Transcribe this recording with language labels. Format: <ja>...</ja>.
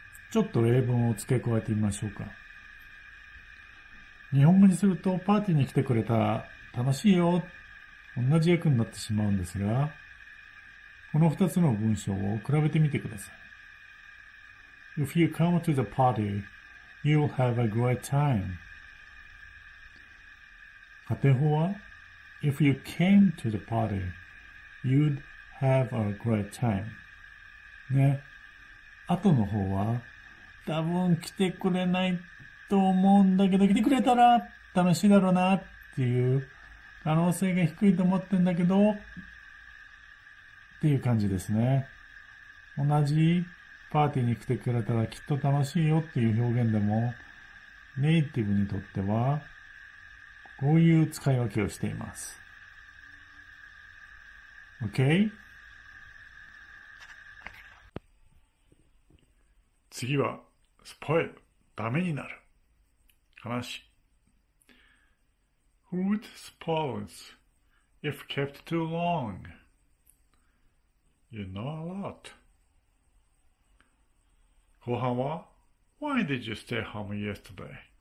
<ja>ちょっと例文を付け加えてみましょうか。日本語にするとパーティーに来てくれたら楽しいよ、同じ訳になってしまうんですが、この二つの文章を比べてみてください。</ja> <en>If you come to the party, you'll have a great time.</en> <ja>仮定法は</ja> <en>If you came to the party, you'd have a great time.</en> <ja>ね。後の方は多分来てくれないと思うんだけど、来てくれたら楽しいだろうなっていう可能性が低いと思ってんだけどっていう感じですね。同じパーティーに来てくれたらきっと楽しいよっていう表現でも、ネイティブにとっては、こういう使い分けをしています。</ja> <en>OK?</en> <ja>次は、spoil、ダメになる。話。</ja> <en>Fruit spoils if kept too long. You know a lot.</en> <ja>後半は</ja> <en>Why did you stay home yesterday?</en>